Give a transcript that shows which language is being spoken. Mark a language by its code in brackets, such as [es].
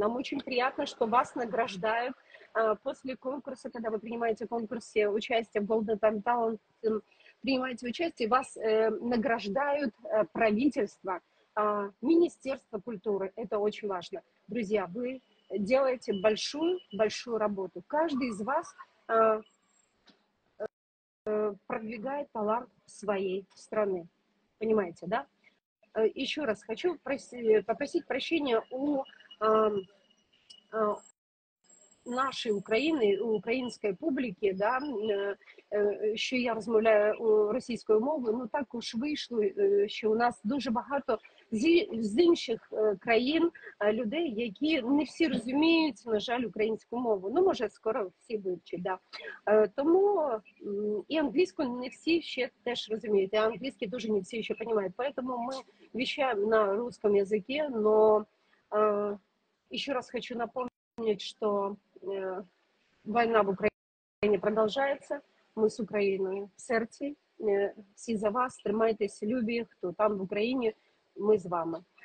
[ru] Нам очень приятно, что вас награждают после конкурса, когда вы принимаете конкурсе участие в Golden Talent, принимаете участие, вас награждают правительство Министерство культуры, это очень важно. Друзья, вы делаете большую-большую работу. Каждый из вас продвигает талант своей страны. Понимаете, да? Еще раз хочу попросить прощения у нашей Украины, у украинской публики, да, [uk] еще я розмовляю російською мовою, ну так уж вийшло, що у нас дуже багато з інших країн людей, які не всі розуміють, на жаль, українську мову. Ну, може, скоро всі вивчать, да. Тому і англійську не всі ще теж розуміють, і англійські дуже не всі ще розуміють. Тому ми вещаємо [ru] на русском языке, но еще раз хочу напомнить, что война в Украине продолжается. Мы с Украиной в сердце. Все за вас. [uk] Тримайтесь, люби, [ru] кто там в Украине. Мы с вами.